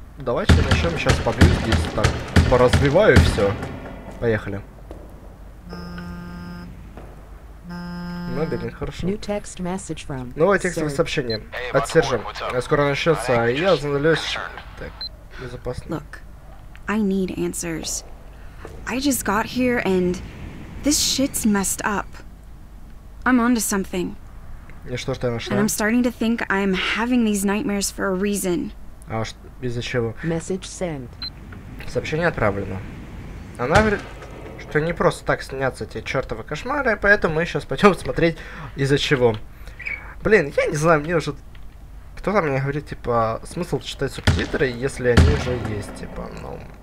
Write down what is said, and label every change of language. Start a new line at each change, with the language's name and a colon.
Russian: Давайте начнем сейчас побью здесь. Так, поразбиваю все. Поехали. Мобильный, хорошо. Новое текстовое сообщение. От сержанта. Скоро начнется, а я занялюсь. Так, безопасно.
English: Look, I need answers. I just got here and this shit's messed up. I'm onto something.
Russian: И что ж ты нашла?
English: And I'm starting to think I'm having these nightmares for a reason.
Russian: А уж из-за чего?
English: Message sent.
Russian: Сообщение отправлено. Она говорит, что не просто так снятся эти чертовы кошмары, поэтому мы сейчас пойдем смотреть, из-за чего. Блин, я не знаю, мне уже... Кто-то мне говорит, типа, смысл читать субтитры, если они уже есть, типа, ну...